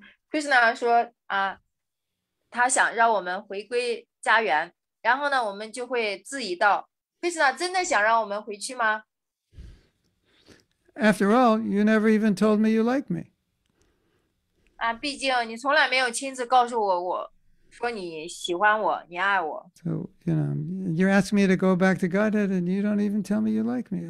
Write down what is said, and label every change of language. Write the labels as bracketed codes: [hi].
[en] Krishna said, [zh] 他想让我们回归 家园，然后呢，我们就会质疑到，Krishna真的想让我们回去吗？ [en] After all, you never even told me you like me. [zh] 毕竟你从来没有亲自告诉我，说你喜欢我，你爱我。 [en] So, you know, you're asking me to go back to Godhead and you don't even tell me you like me.